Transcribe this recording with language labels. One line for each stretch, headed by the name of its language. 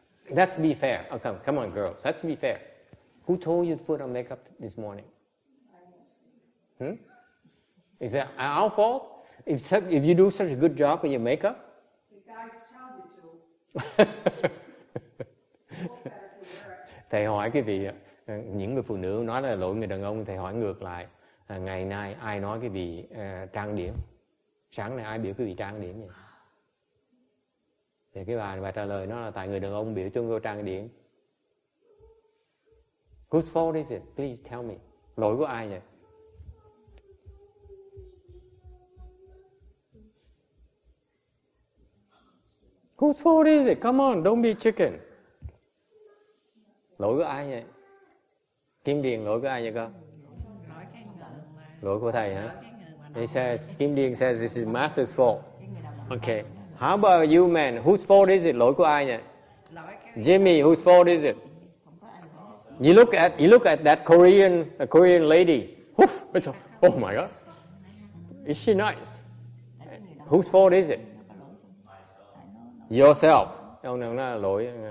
English: Let's be fair. Oh, come on, girls. Let's be fair. Who told you to put on makeup this morning? Is it our fault? If you do such a good job with your makeup? The guy's child is too.
Vietnamese: Thầy hỏi cái vị những người phụ nữ nói là lỗi người đàn ông, thầy hỏi ngược lại ngày nay ai nói cái vị trang điểm sáng nay ai biểu cái vị trang điểm vậy? Thì cái bà trả lời nó là tại người đàn ông biểu cho cô trang điểm.
English: Whose fault is it? Please tell me.
Vietnamese: Lỗi của ai vậy?
English: Whose fault is it? Come on, don't be chicken.
Vietnamese: Lỗi của ai vậy? Kim Điền lỗi của ai vậy con? Lỗi của thầy hả?
English: He says, Kim Điền says this is master's fault. Okay. How about you, man? Whose fault is it?
Vietnamese: Lỗi của ai vậy?
English: Jimmy, whose fault is it? You look at that Korean lady. Oh my God. Is she nice? Whose fault is it? Yourself. Oh, no, lỗi.